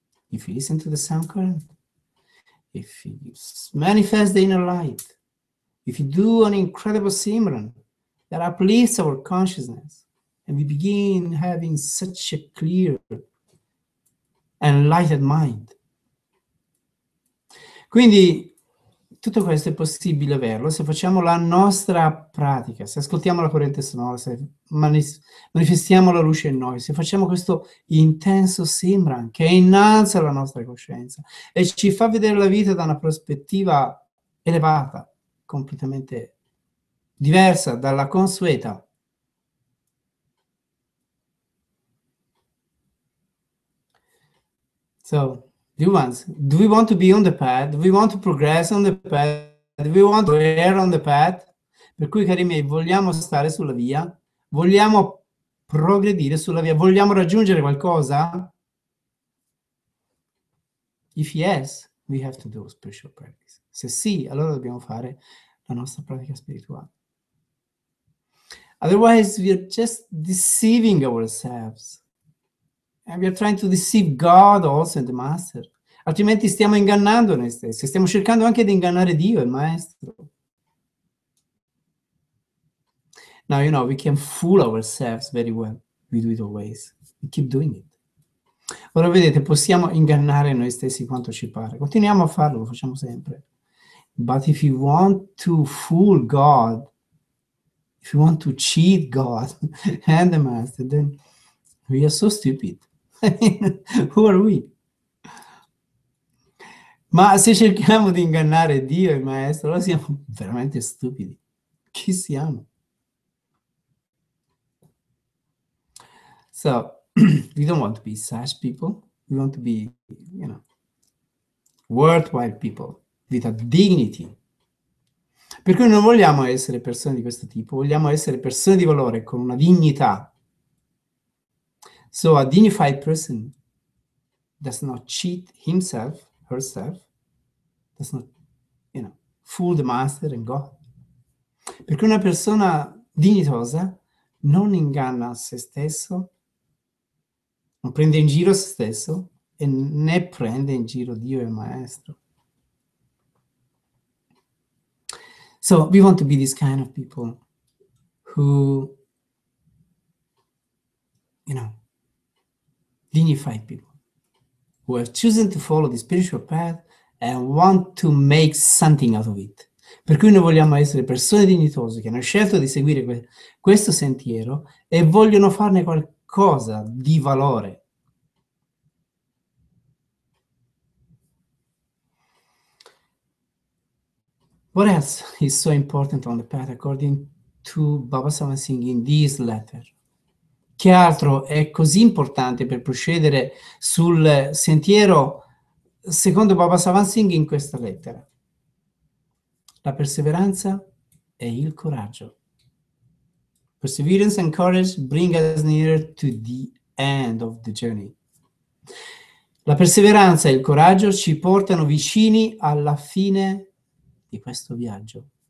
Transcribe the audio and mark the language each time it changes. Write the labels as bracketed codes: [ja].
[en] If we listen to the sound current, if we manifest the inner light, if we do an incredible simran that uplifts our consciousness, and we begin having such a clear and enlightened mind. [it] Quindi, tutto questo è possibile averlo se facciamo la nostra pratica, se ascoltiamo la corrente sonora, se manifestiamo la luce in noi, se facciamo questo intenso simran che innalza la nostra coscienza e ci fa vedere la vita da una prospettiva elevata, completamente diversa dalla consueta. [en] So, dear ones, do we want to be on the path? Do we want to progress on the path? Do we want to err on the path? [it] Per cui, cari miei, vogliamo stare sulla via? Vogliamo progredire sulla via? Vogliamo raggiungere qualcosa? [en] If yes, we have to do spiritual practice. [it] Se sì, allora dobbiamo fare la nostra pratica spirituale. [en] Otherwise, we are just deceiving ourselves. And we are trying to deceive God also and the Master. [it] Altrimenti stiamo ingannando noi stessi. Stiamo cercando anche di ingannare Dio, il Maestro. [en] Now, you know, we can fool ourselves very well. We do it always. We keep doing it. [it] Ora vedete, possiamo ingannare noi stessi quanto ci pare. Continuiamo a farlo, lo facciamo sempre. [en] But if you want to fool God, if you want to cheat God and the Master, then we are so stupid. Who are we? [it] Ma se cerchiamo di ingannare Dio e il Maestro, allora siamo veramente stupidi. Chi siamo? [en] So, we don't want to be such people. We want to be, you know, worthwhile people with a dignity. [it] Per cui non vogliamo essere persone di questo tipo, vogliamo essere persone di valore con una dignità. [en] So a dignified person does not cheat himself, herself, does not, you know, fool the Master and God. [it] Perché una persona dignitosa non inganna se stesso, non prende in giro se stesso e né prende in giro Dio e il Maestro. [en] So we want to be this kind of people who, you know, dignified people who have chosen to follow the spiritual path and want to make something out of it. [it] Per cui noi vogliamo essere persone dignitose che hanno scelto di seguire questo sentiero e vogliono farne qualcosa di valore. [en] What else is so important on the path according to Baba Sawan Singh in this letter? [it] Che altro è così importante per procedere sul sentiero secondo Baba Sawan Singh in questa lettera? La perseveranza e il coraggio. [en] Perseverance and courage bring us nearer to the end of the journey. [it] La perseveranza e il coraggio ci portano vicini alla fine di questo viaggio.